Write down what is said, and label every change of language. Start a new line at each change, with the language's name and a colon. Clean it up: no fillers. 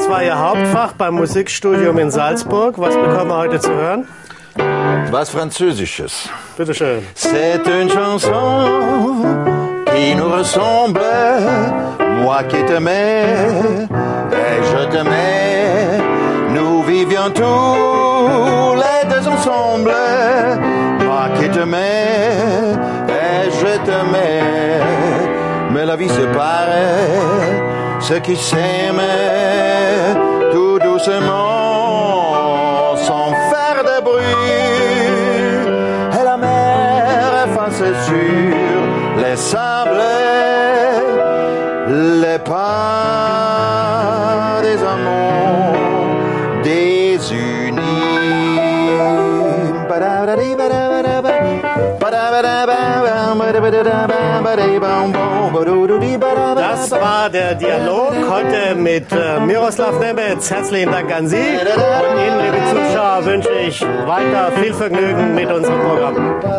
German: Hauptfach beim Musikstudium in Salzburg. Was bekommen wir heute zu hören? Was Französisches. Bitte schön.
French: C'est une chanson qui nous ressemble. Moi qui t'aimais et je t'aimais. Nous vivions tous les deux ensemble. Moi qui t'aimais et je t'aimais. Mais la vie se paraît. Ceux qui s'aimaient sans faire de bruit, et la mer efface sur les sables les pas des amants désunis.
German: Das war der Dialog heute mit Miroslav Nemetz. Herzlichen Dank an Sie. Und Ihnen, liebe Zuschauer, wünsche ich weiter viel Vergnügen mit unserem Programm.